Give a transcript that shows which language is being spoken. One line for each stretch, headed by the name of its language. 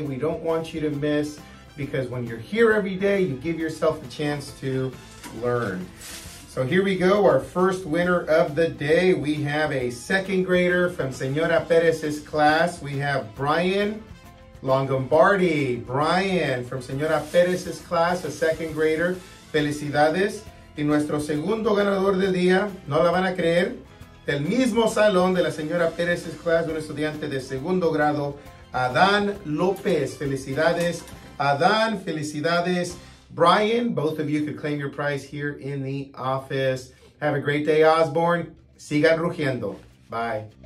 English: We don't want you to miss, because when you're here every day, you give yourself a chance to learn. So here we go, our first winner of the day. We have a second grader from Señora Perez's class. We have Brian Longombardi. Brian from Señora Perez's class, a second grader.
Spanish: Felicidades. Y nuestro segundo ganador del día, no la van a creer, del mismo salón de la Señora Perez's class, un estudiante de segundo grado, Adán López. Felicidades, Adán. Felicidades, Brian.
English: Both of you could claim your prize here in the office. Have a great day, Osborne.
Spanish: Sigan rugiendo.
English: Bye.